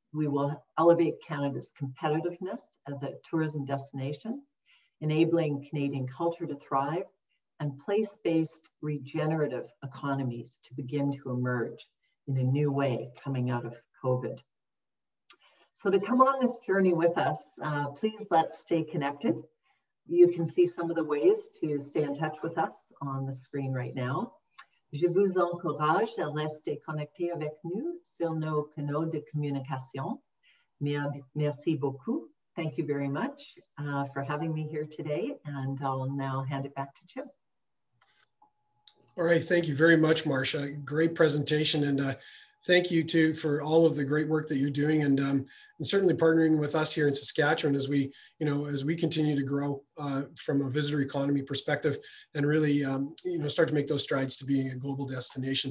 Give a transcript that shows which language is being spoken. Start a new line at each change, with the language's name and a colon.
English: We will elevate Canada's competitiveness as a tourism destination, enabling Canadian culture to thrive and place-based regenerative economies to begin to emerge in a new way coming out of COVID. So to come on this journey with us, please let's stay connected. You can see some of the ways to stay in touch with us on the screen right now.
French: Je vous encourage à rester connecté avec nous sur nos canaux de communication. Merci beaucoup.
English: Thank you very much for having me here today. And I'll now hand it back to Chip. All right. Thank you very much, Marcia. Great presentation. And thank you, too, for all of the great work that you're doing and certainly partnering with us here in Saskatchewan as we, you know, as we continue to grow from a visitor economy perspective and really, you know, start to make those strides to being a global destination.